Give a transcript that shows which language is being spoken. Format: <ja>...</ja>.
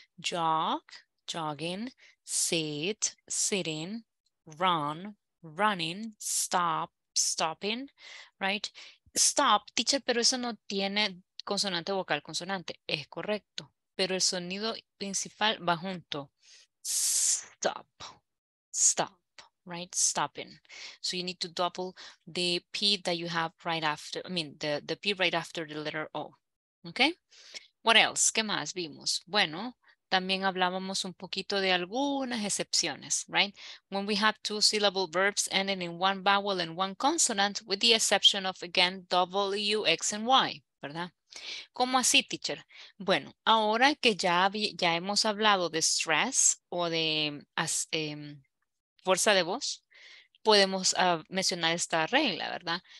<en>Jog, jogging, sit, sitting, run, running, stop, stopping, right? Stop, teacher,</en> <es>pero eso no tiene consonante vocal, consonante. Es correcto, pero el sonido principal va junto.</es> <en>Stop, stop, right? Stopping. So you need to double the P that you have right after, I mean, the P right after the letter O. Okay? What else?</en> <es>¿Qué más vimos? Bueno, también hablábamos un poquito de algunas excepciones, right?</es> <en>When we have two syllable verbs ending in one vowel and one consonant, with the exception of, again, W, X, and Y, ¿verdad?</en> <es>¿Cómo así, teacher? Bueno, ahora que ya hemos hablado de stress o de fuerza de voz, podemos mencionar esta regla, ¿verdad?</es>